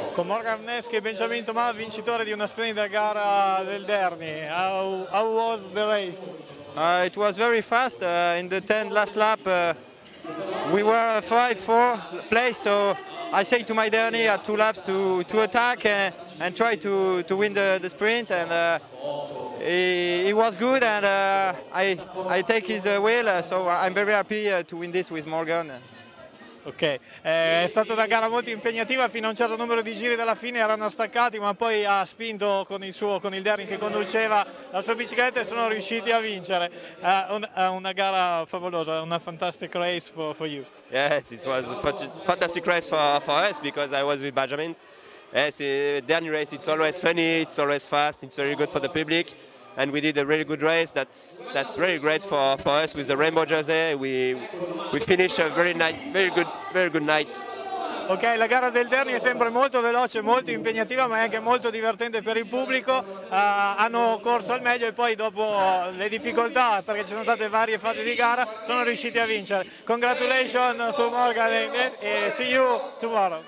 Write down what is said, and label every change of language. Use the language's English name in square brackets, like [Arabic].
[Italian] Morgan Arneschi e Benjamin Thomas, vincitore di una splendida gara del Derny. [English] How was the race? It was very fast. In the 10th last lap, we were 5-4 place, so I say to my Derny, at two laps to attack and try to win the sprint. And he was good, and I take his wheel, so I'm very happy to win this with Morgan. [Italian] Ok, è stata una gara molto impegnativa fino a un certo numero di giri dalla fine, erano staccati, ma poi ha spinto con il Derny che conduceva la sua bicicletta e sono riusciti a vincere. Una gara favolosa, una [English] fantastic race for you. Yes, it was a fantastic race for us because I was with Benjamin. Yes, Derny race, it's always funny, it's always fast, it's very good for the public. And we did a really good race. That's really great for us with the rainbow jersey. We finished a very good night. [Italian] Ok, la gara del Derny è sempre molto veloce, molto impegnativa, ma è anche molto divertente per il pubblico. Hanno corso al meglio e poi dopo le difficoltà, perché ci sono state varie fasi di gara, sono riusciti a vincere. [English] Congratulations to Morgan and see you tomorrow.